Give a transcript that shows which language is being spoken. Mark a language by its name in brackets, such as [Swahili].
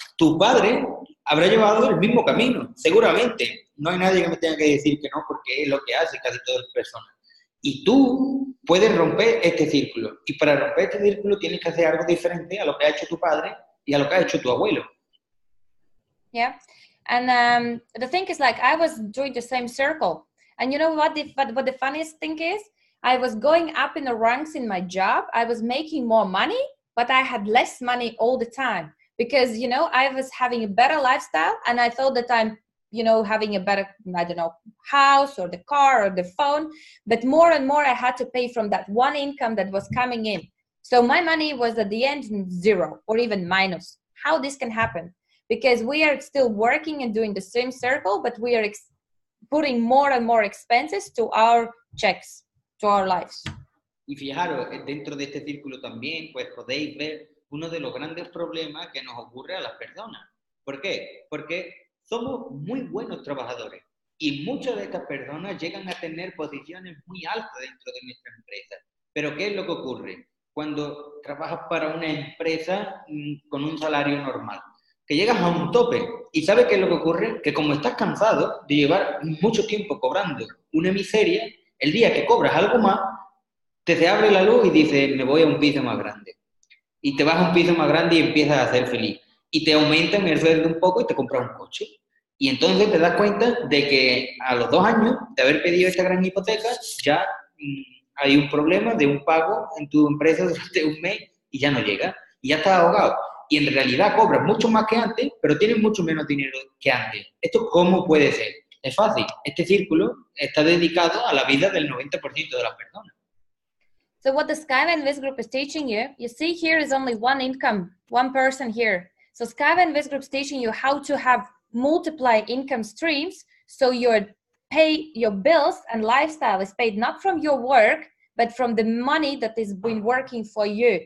[Spanish] Tu padre habrá llevado el mismo camino, seguramente. No hay nadie que me tenga que decir que no, porque es lo que hace casi todas las personas. Y tú puedes romper este círculo. Y para romper este círculo tienes que hacer algo diferente a lo que ha hecho tu padre y a lo que ha hecho tu abuelo. [English] Yeah. And the thing is, like, I was doing the same circle. And you know what the funniest thing is? I was going up in the ranks in my job. I was making more money, but I had less money all the time. Because, you know, I was having a better lifestyle and I thought that I'm, you know, having a better, I don't know, house or the car or the phone. But more and more I had to pay from that one income that was coming in. So my money was at the end zero or even minus. How this can happen? Because we are still working and doing the same circle, but we are putting more and more expenses to our checks, to our lives. [Spanish] Y fijaros, dentro de este círculo también, pues podéis ver uno de los grandes problemas que nos ocurre a las personas. ¿Por qué? Porque somos muy buenos trabajadores y muchas de estas personas llegan a tener posiciones muy altas dentro de nuestra empresa. Pero ¿qué es lo que ocurre cuando trabajas para una empresa con un salario normal? Que llegas a un tope y ¿sabes qué es lo que ocurre? Que como estás cansado de llevar mucho tiempo cobrando una miseria, el día que cobras algo más, se abre la luz y dice, me voy a un piso más grande. Y te vas a un piso más grande y empiezas a ser feliz. Y te aumentan el sueldo un poco y te compras un coche. Y entonces te das cuenta de que a los 2 años de haber pedido esta gran hipoteca, ya hay un problema de un pago en tu empresa durante un mes y ya no llega. Y ya estás ahogado. Y en realidad cobras mucho más que antes, pero tienes mucho menos dinero que antes. ¿Esto cómo puede ser? Es fácil. Este círculo está dedicado a la vida del 90% de las personas. [English] So what the SkyWay and Visgroup is teaching you, you see here is only one income, one person here. So SkyWay and Visgroup is teaching you how to have multiply income streams so your pay, your bills and lifestyle is paid not from your work, but from the money that has been working for you.